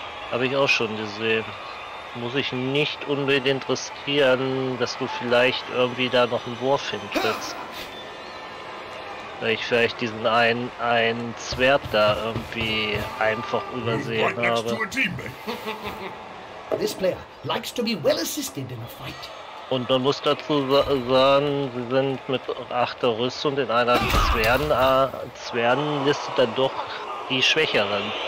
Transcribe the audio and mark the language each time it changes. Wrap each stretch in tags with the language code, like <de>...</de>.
<de>Habe ich auch schon gesehen. Muss ich nicht unbedingt riskieren, dass du vielleicht irgendwie da noch einen Wurf hintrittst. Weil ich vielleicht diesen einen Zwerg da irgendwie einfach übersehen habe.</de> <en>This player likes to be well assisted in a fight.</en> <de>Und man muss dazu sagen, sie sind mit 8er Rüstung in einer Zwergenliste dann doch die Schwächeren.</de>